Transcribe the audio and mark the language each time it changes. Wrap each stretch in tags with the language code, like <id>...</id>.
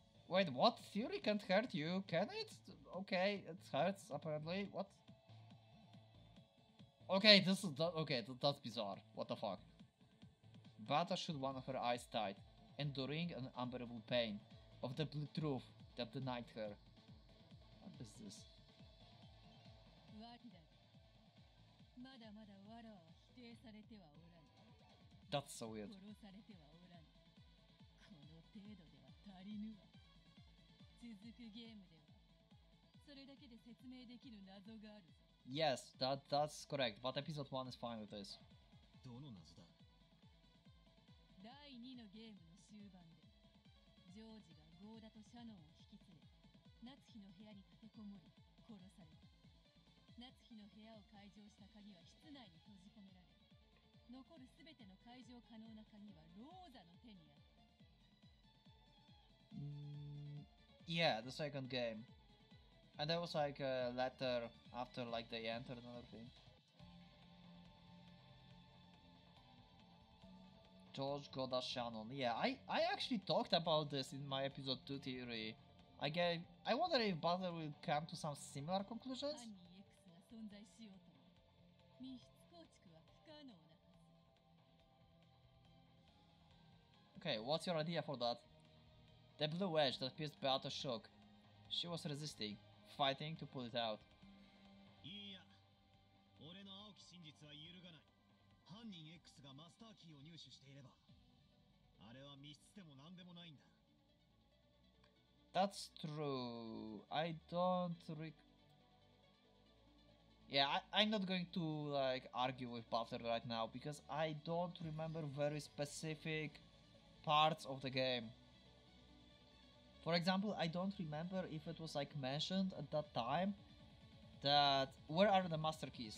<en>Wait, what? Theory can't hurt you, can it? Okay, it hurts apparently. What? Okay, this is that's bizarre. What the fuck? Bata shoot one of her eyes tight, enduring an unbearable pain of the blue truth that denied her. What is this?</en> <ja>まだまだわらわは否定されてはおらぬ。</ja> <en>That's so weird.</en> <ja>殺されてはおらぬ。この程度では足りぬわ。続くゲームではそれだけで説明できる謎があるぞ。</ja> <en>Yes, that's correct. But episode 1 is fine with this.</en> <ja>どの謎だ。第2のゲームの終盤でジョージがゴーダとシャノンを引き連れ夏日の部屋に立てこもり殺された。夏日の部屋を解錠した鍵は室内に閉じ込められ、残るすべての解錠可能な鍵はローザの手にあった。</ja> <en>Yeah, the second game. And there was like a letter after like they entered another thing. George Goda Shannon. Yeah, I actually talked about this in my episode 2 theory. I wonder if Butler will come to some similar conclusions?</en> <ja>存在しようとも密室構築は不可能なはず。</ja> <en>Okay, what's your idea for that? The blue wedge that pierced Beata shook. She was resisting, fighting to pull it out.</en> <ja>いいや、俺の青き真実は揺るがない。犯人 X がマスターキーを入手していればあれは密室でも何でもないんだ。</ja> <en>That's true. I don't recallYeah, I'm not going to like argue with Butler right now because I don't remember very specific parts of the game. For example, I don't remember if it was like mentioned at that time that where are the master keys?</en>